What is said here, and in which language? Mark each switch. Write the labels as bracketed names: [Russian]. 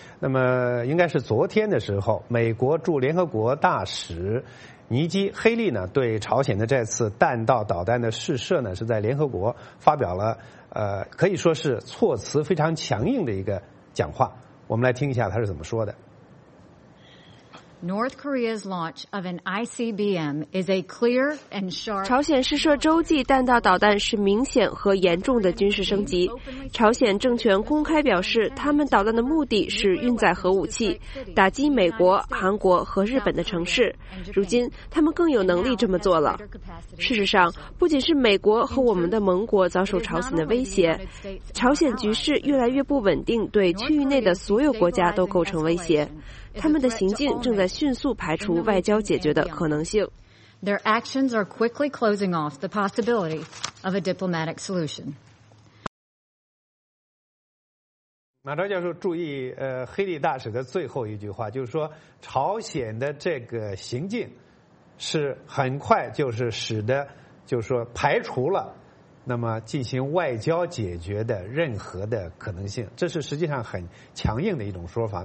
[Chinese] 那么应该是昨天的时候，美国驻联合国大使尼基·黑利呢对朝鲜的这次弹道导弹的试射呢是在联合国发表了可以说是措辞非常强硬的一个讲话，我们来听一下他是怎么说的。 [English] North Korea's launch of an ICBM is a clear and sharp. [Chinese] 朝鲜试射洲际弹道导弹是明显和严重的军事升级。朝鲜政权公开表示，他们导弹的目的是运载核武器，打击美国、韩国和日本的城市。如今，他们更有能力这么做了。事实上，不仅是美国和我们的盟国遭受朝鲜的威胁，朝鲜局势越来越不稳定，对区域内的所有国家都构成威胁。他们的行径正在迅速排除外交解决的可能性。 [English] Their actions are quickly closing off the possibility of a diplomatic solution. [Chinese] 马昭教授注意，黑利大使的最后一句话，就是说朝鲜的这个行径是很快就是使得，就是说排除了那么进行外交解决的任何的可能性，这是实际上很强硬的一种说法。